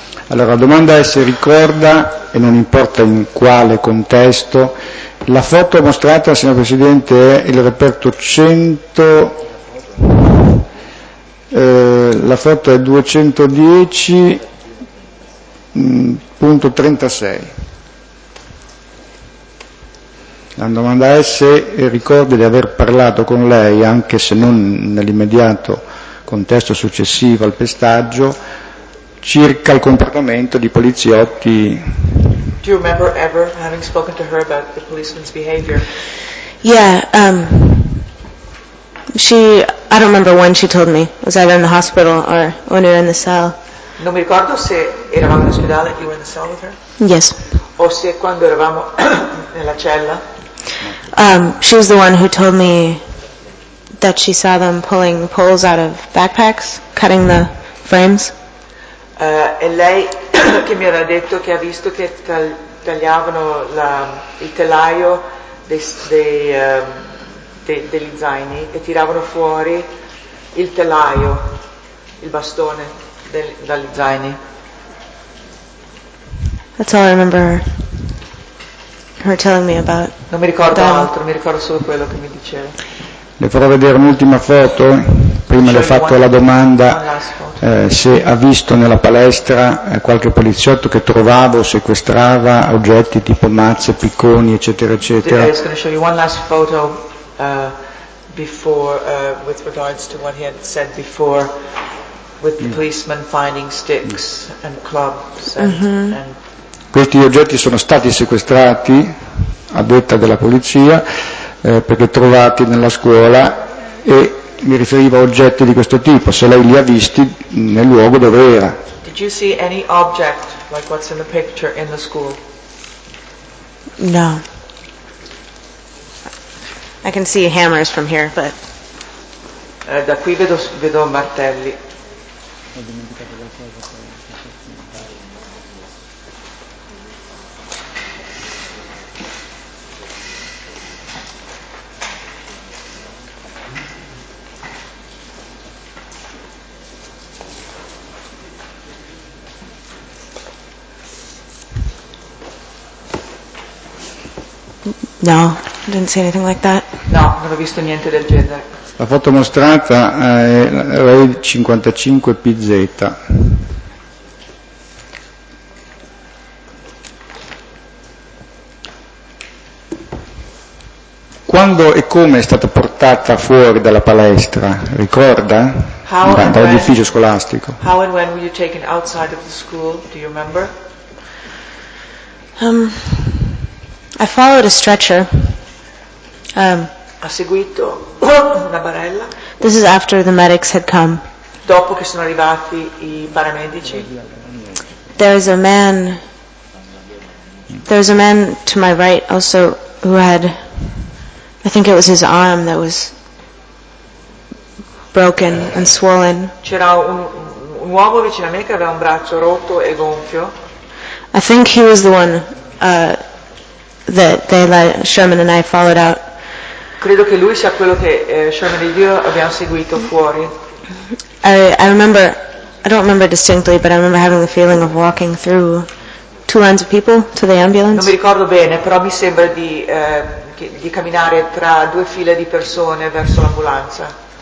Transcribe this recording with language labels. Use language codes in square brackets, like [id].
[it] Allora, la domanda è se ricorda, e non importa in quale contesto, la foto mostrata, signor Presidente, è il reperto 100, la foto è 210.36. La domanda è se ricorda di aver parlato con lei, anche se non nell'immediato contesto successivo al pestaggio, circa il comportamento di poliziotti. [en] Do you remember ever having spoken to her about the policeman's behavior? Yeah, I don't remember when she told me. It was either in the hospital or when we were in the cell. [it] Non mi ricordo se eravamo in ospedale e [en] you were in the cell with her. Yes. [it] O se quando eravamo nella cella. [en] She was the one who told me that she saw them pulling poles out of backpacks, cutting the frames. [it] E lei che mi aveva detto che ha visto che tagliavano il telaio degli zaini e tiravano fuori il telaio, il bastone dagli zaini. [en] That's all I remember her telling me about. [it] Non mi ricordo altro, mi ricordo solo quello che mi diceva. Le farò vedere un'ultima foto, prima le ho fatto la domanda se ha visto nella palestra qualche poliziotto che trovava o sequestrava oggetti tipo mazze, picconi, eccetera, eccetera. [en] I'm going to show you one last photo before with regards to what he had said before with the policeman finding sticks and clubs. [it] Questi oggetti sono stati sequestrati, a detta della polizia, perché trovati nella scuola, e mi riferivo a oggetti di questo tipo, se lei li ha visti nel luogo dove era. [en] Did you see any object like what's in the picture in the school? No. I can see hammers from here, but [it] da qui vedo martelli. [en] No, didn't see anything like that. [it] No, non ho visto niente del genere. La foto mostrata è la 55PZ. Quando e come è stata portata fuori dalla palestra, ricorda? Dall'edificio scolastico. [en] How and when were you taken outside of the school, do you remember? I followed a stretcher. [it] Ha seguito una barella. [en] This is after the medics had come. [it] Dopo che sono arrivati i paramedici. [en] There's a man to my right also who had, I think it was his arm that was broken and swollen. [it] C'era un uomo vicino a me che aveva un braccio rotto e gonfio. [en] I think he was the one that they let Sherman and I followed out. [it] Credo che lui sia quello che Sherman e io abbiamo seguito fuori. [en] I don't remember distinctly, but I remember having the feeling of walking through two lines of people to the ambulance. [it] Non mi ricordo bene, però mi sembra di camminare tra due file di persone verso l'ambulanza.